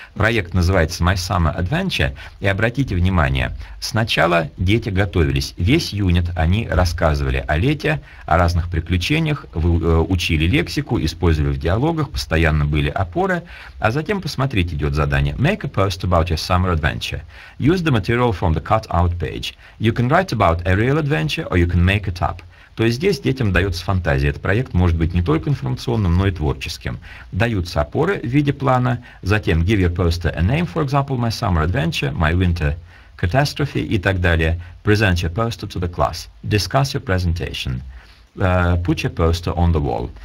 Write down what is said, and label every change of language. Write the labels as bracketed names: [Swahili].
[Russian] Проект называется My Summer Adventure, и обратите внимание, сначала дети готовились. Весь юнит они рассказывали о лете, о разных приключениях, обучениях, вы учили лексику, использовали в диалогах, постоянно были опоры, а затем посмотрите, идет задание. [English] Make a post about your summer adventure. Use the material from the cut-out page. You can write about a real adventure or you can make it up. [Russian] То есть здесь детям дается фантазия. Этот проект может быть не только информационным, но и творческим. Даются опоры в виде плана, затем [English] give your poster a name, for example, my summer adventure, my winter catastrophe [Russian] и так далее. [English] Present your poster to the class. Discuss your presentation. Put your poster on the wall.